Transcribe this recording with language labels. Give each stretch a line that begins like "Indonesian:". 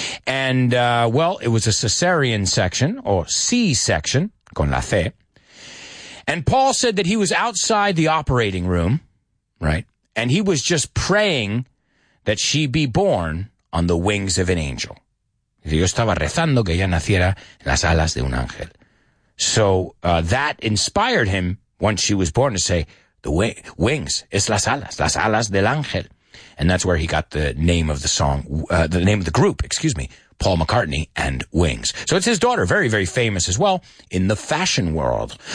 English: And, well, it was a cesarean section, or C-section,
Spanish: con la fe.
English: And Paul said that he was outside the operating room, right? And he was just praying that she be born on the wings of an angel.
Spanish: Yo estaba rezando que ella naciera en las alas de un ángel.
English: So that inspired him, once she was born, to say, the wings,
Spanish: es las alas del ángel.
English: And that's where he got the name of the song, the name of the group, excuse me, Paul McCartney and Wings. So it's his daughter, very, very famous as well in the fashion world.